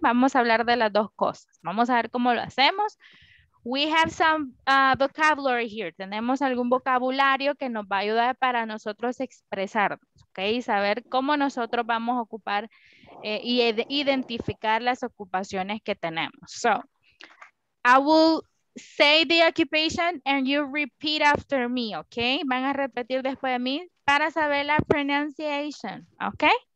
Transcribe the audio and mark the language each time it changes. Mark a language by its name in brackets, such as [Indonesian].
[Spanish] Vamos a hablar de las dos cosas. Vamos a ver cómo lo hacemos. [English] We have some vocabulary here. [Spanish] Tenemos algún vocabulario que nos va a ayudar para nosotros expresarnos, ¿ok? Y saber cómo nosotros vamos a ocupar y identificar las ocupaciones que tenemos. [English] So, I will... say the occupation and you repeat after me, okay? [Spanish] Van a repetir después de mí para saber la pronunciation, okay?